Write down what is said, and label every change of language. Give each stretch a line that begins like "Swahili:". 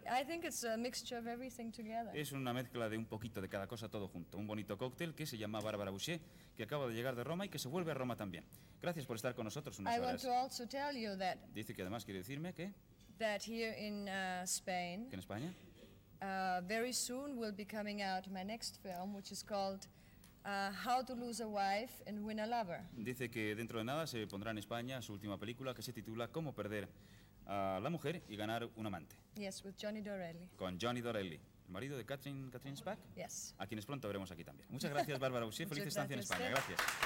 English: I think it's a mixture of everything together.
Spanish: Es una mezcla de un poquito de cada cosa todo junto. Un bonito cóctel que se llama Bárbara Boucher, que acaba de llegar de Roma y que se vuelve a Roma también. Gracias por estar con nosotros unas
English: I
Spanish: horas.
English: Want to also tell you that
Spanish: dice que además quiere decirme que
English: that here in Spain,
Spanish: que en España
English: very soon will be coming out my next film, which is called How to Lose a Wife and Win a Lover.
Spanish: Dice que dentro de nada se pondrá en España su última película que se titula Cómo perder a la mujer y ganar un amante.
English: Yes, with Johnny Dorelli.
Spanish: Con Johnny Dorelli, el marido de Catherine Spack.
English: Yes.
Spanish: A quienes pronto veremos aquí también. Muchas gracias, Bárbara Boucher. Feliz estancia en España. Gracias.